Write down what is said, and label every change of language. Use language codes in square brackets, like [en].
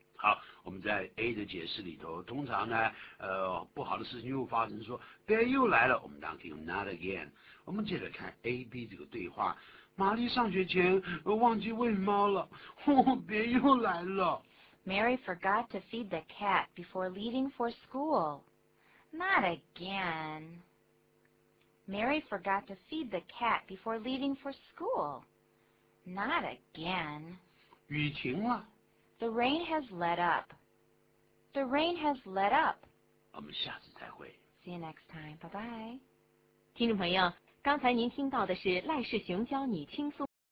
[zh] 好，我们在 A 的解释里头，通常呢，不好的事情又发生，说别又来了，我们当然可以用 not again。我们接着看 A-B 这个对话，玛丽上学前忘记喂猫了，别又来了。 [en] Mary forgot to feed the cat before leaving for school. Not again. Mary forgot to feed the cat before leaving for school. Not again. [zh] 雨停了。 [en] The rain has let up. The rain has let up. [zh] 我们下次再会。 [en] See you next time. Bye bye. [zh] 听众朋友，刚才您听到的是赖世雄教你轻松。